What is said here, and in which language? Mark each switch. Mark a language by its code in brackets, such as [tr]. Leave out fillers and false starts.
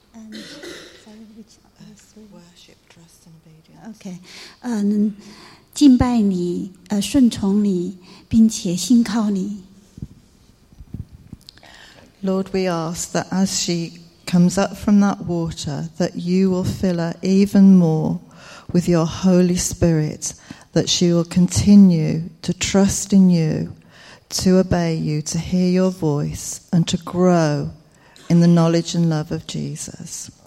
[en] Worship, trust, and obedience. Okay. [zh] 敬拜你，顺从你，并且信靠你。 [en] Lord, we ask that as she. Comes up from that water, that you will fill her even more with your Holy Spirit, that she will continue to trust in you, to obey you, to hear your voice, and to grow in the knowledge and love of Jesus.